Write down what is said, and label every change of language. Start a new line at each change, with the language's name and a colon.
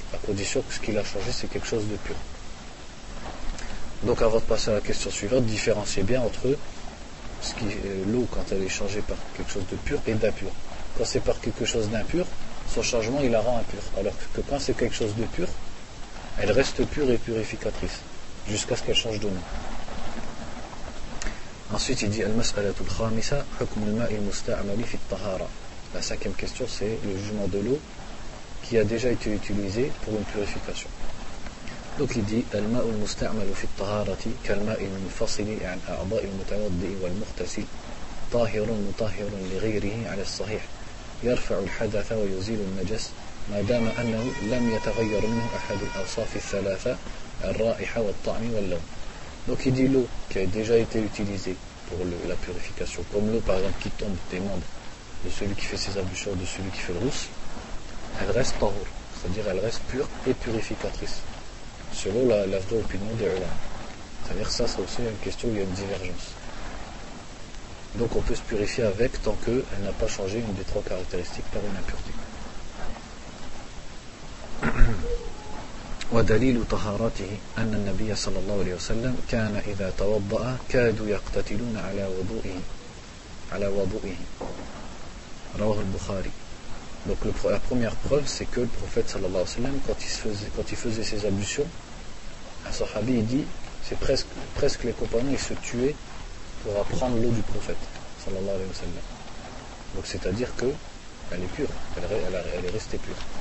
French: À condition que ce qu'il a changé, c'est quelque chose de pur. Donc avant de passer à la question suivante, différenciez bien entre ce qui est l'eau quand elle est changée par quelque chose de pur et d'impur. Quand c'est par quelque chose d'impur, son changement il la rend impure. Alors que quand c'est quelque chose de pur, elle reste pure et purificatrice, jusqu'à ce qu'elle change de nom. Ensuite, il dit
Arabic: المسألة الخامسة حكم الماء المستعمل في الطهارة.
French: La cinquième question, c'est le jugement de l'eau qui a déjà été utilisée pour une purification. Donc, il dit
Arabic: الماء المستعمل في الطهارة كالماء المنفصل عن أعضاء المتوضئ والمغتسل طاهر مطهر لغيره على الصحيح يرفع الحدث ويزيل النجس ما دام أنه لم يتغير منه أحد الأوصاف الثلاثة الرائحة والطعم واللون.
French: Donc il dit l'eau qui a déjà été utilisée pour la purification, comme l'eau par exemple qui tombe des membres de celui qui fait ses ablutions, de celui qui fait le rousse, elle reste tahour, c'est-à-dire elle reste pure et purificatrice, selon la vraie opinion des ulama. C'est-à-dire ça, c'est aussi une question où il y a une divergence. Donc on peut se purifier avec tant qu'elle n'a pas changé une des 3 caractéristiques par une impureté.
Arabic: ودليل طهارته أن النبي صلى الله عليه وسلم كان إذا توضأ كادوا يقتتلون على وضوئه رواه البخاري.
French: Donc la première preuve, c'est que le prophète
Arabic: صلى الله عليه وسلم,
French: quand il faisait ses ablutions, un sahabi dit, c'est presque les compagnons, ils se tuaient pour apprendre l'eau du prophète صلى الله عليه وسلم. Donc c'est-à-dire que elle est pure, elle est restée pure.